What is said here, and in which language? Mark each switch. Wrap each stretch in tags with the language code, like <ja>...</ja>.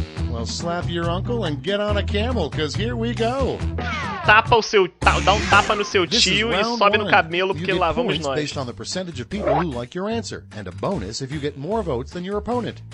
<en>Well, slap your uncle and get on a camel, cause here we go.</en> <pt>Tapa o seu, dá um tapa no seu tio e sobe no camelo, porque lá vamos nós.</pt> <en>Based on the percentage of people who like your answer, and a bonus if you get more votes than your opponent.</en>